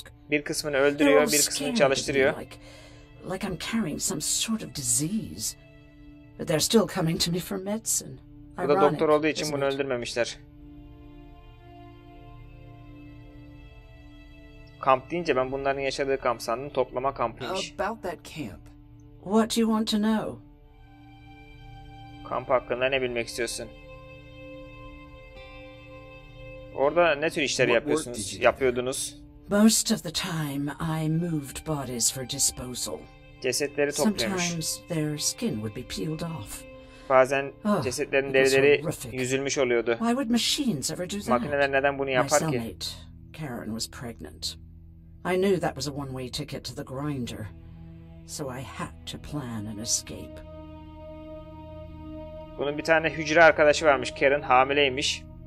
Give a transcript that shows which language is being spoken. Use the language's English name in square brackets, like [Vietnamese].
[Turkish] Bir kısmını öldürüyor, bir kısmını çalıştırıyor. [English] Like I'm carrying some sort of disease. But they're still coming to me for medicine. [Turkish] Bu da doktor olduğu için bunu öldürmemişler. Kamp deyince ben bunların yaşadığı kamp sandım. Toplama kampıymış. [English] About that camp. What do you want to know? [Turkish] Kamp hakkında ne bilmek istiyorsun? Orada ne tür işler yapıyordunuz? [English] Most of the time I moved bodies for disposal. [Turkish] Cesetleri topluyormuş. [English] Sometimes their skin would be peeled off. [Turkish] Bazen cesetlerin derileri yüzülmüş oluyordu. Makineler neden bunu yapar ki? [English] Karen was pregnant. I knew that was a one-way ticket to the grinder, so I had to plan an escape. [Turkish] Bunun bir tane hücre arkadaşı varmış. Karen hamileymiş.